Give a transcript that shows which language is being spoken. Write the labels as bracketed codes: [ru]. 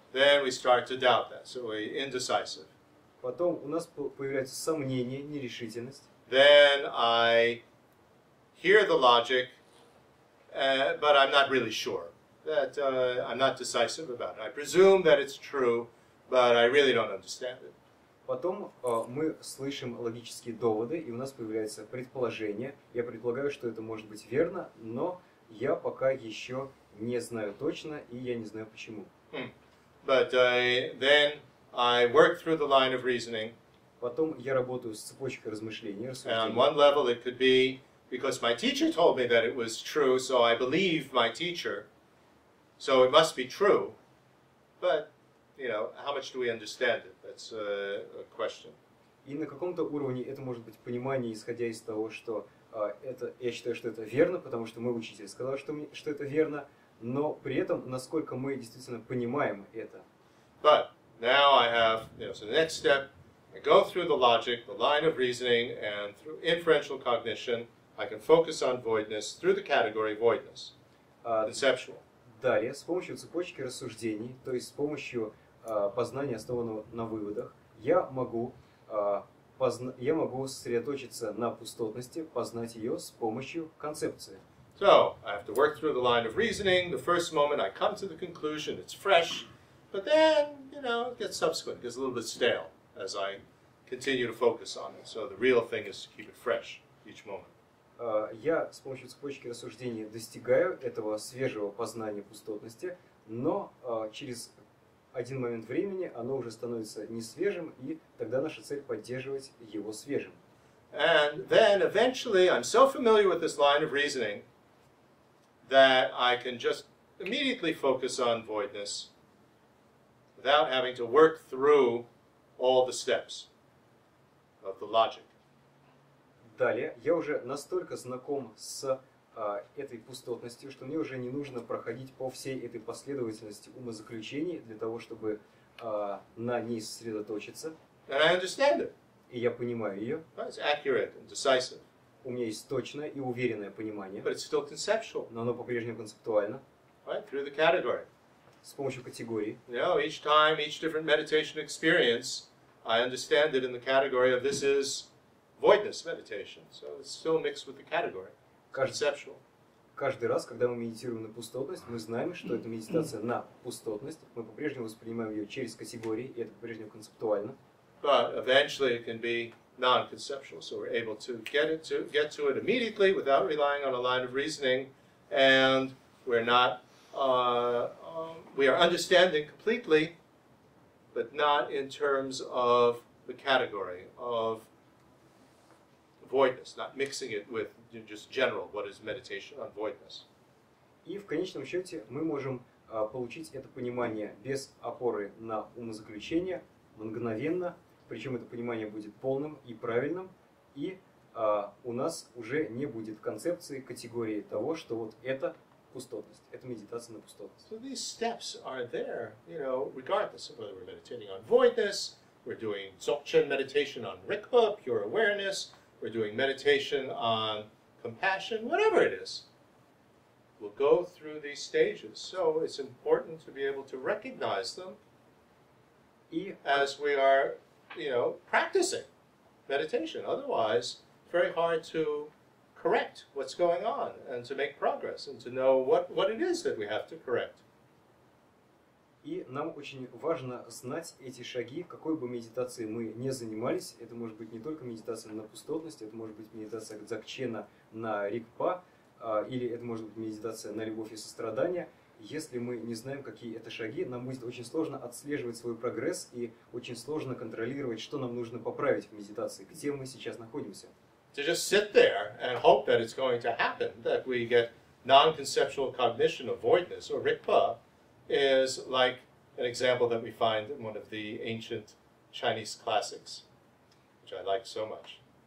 [en] Then we start to doubt that, so we're indecisive. [ru] Потом у нас появляется сомнение, нерешительность. [en] Then I hear the logic, but I'm not really sure. That I'm not decisive about it. I presume that it's true, but I really don't understand it. [ru] Потом мы слышим логические доводы, и у нас появляется предположение. Я предполагаю, что это может быть верно, но я пока еще не знаю точно, и я не знаю почему. [en] But then I work through the line of reasoning. [ru] Потом я работаю с цепочкой размышлений. [en] And on one level it could be because my teacher told me that it was true, so I believe my teacher. So it must be true. But, you know, how much do we understand it? That's a question. [ru] И на каком-то уровне это может быть понимание, исходя из того, что это, я считаю, что это верно, потому что мой учитель сказал, что это верно. Но при этом, насколько мы действительно понимаем это. [en] But now I have, you know, so the next step, I go through the logic, the line of reasoning, and through inferential cognition, I can focus on voidness through the category voidness, conceptual. [ru] Далее, с помощью цепочки рассуждений, то есть с помощью познания, основанного на выводах, я могу сосредоточиться на пустотности, познать ее с помощью концепции. [en] So, I have to work through the line of reasoning. The first moment I come to the conclusion, it's fresh. But then, you know, it gets subsequent. It gets a little bit stale as I continue to focus on it. So the real thing is to keep it fresh each moment. [ru] Я с помощью цепочки рассуждения достигаю этого свежего познания пустотности, но через один момент времени оно уже становится несвежим, и тогда наша цель поддерживать его свежим. [en] And then, eventually, I'm so familiar with this line of reasoning that I can just immediately focus on voidness without having to work through all the steps of the logic. [ru] Далее, я уже настолько знаком с этой пустотностью, что мне уже не нужно проходить по всей этой последовательности умозаключений для того, чтобы на ней сосредоточиться. [en] And I understand it. [ru] И я понимаю ее. [en] It's accurate and decisive. [ru] У меня есть точное и уверенное понимание. [en] But it's still conceptual. [ru] Но оно по-прежнему концептуально. [en] Right? Through the category. [ru] С помощью категории. [en] You know, each time, each different meditation experience, I understand it in the category of this is voidness meditation. So it's still mixed with the category. Conceptual. [ru] Каждый раз, когда мы медитируем на пустотность, мы знаем, что это медитация на пустотность. Мы по-прежнему воспринимаем ее через категории, и это по-прежнему концептуально. [en] But eventually it can be non-conceptual, so we're able to get to it immediately without relying on a line of reasoning, and we are understanding completely, but not in terms of the category of voidness, not mixing it with just general what is meditation on voidness. [ru] И в конечном счете мы можем получить это понимание без опоры на умозаключения мгновенно. причем это понимание будет полным и правильным, и у нас уже не будет концепции, категории того, что вот это пустотность, это медитация на пустотность. [en] So these steps are there, you know, regardless of whether we're meditating on voidness, we're doing Dzogchen meditation on Rikpa, pure awareness, we're doing meditation on compassion, whatever it is. We'll go through these stages, so it's important to be able to recognize them as we are, you know, practicing meditation. Otherwise, it's very hard to correct what's going on and to make progress and to know what it is that we have to correct. [ru] И нам очень важно знать эти шаги, какой бы медитацией мы не занимались. Это может быть не только медитация на пустотность, это может быть медитация Дзогчена на Рикпа, или это может быть медитация на любовь и сострадание. Если мы не знаем, какие это шаги, нам будет очень сложно отслеживать свой прогресс и очень сложно контролировать, что нам нужно поправить в медитации, где мы сейчас находимся. [en] To just sit there and hope that it's going to happen, that we get non-conceptual cognition of voidness or rikpa, is like an example that we find in one of the ancient Chinese classics, which I like so much.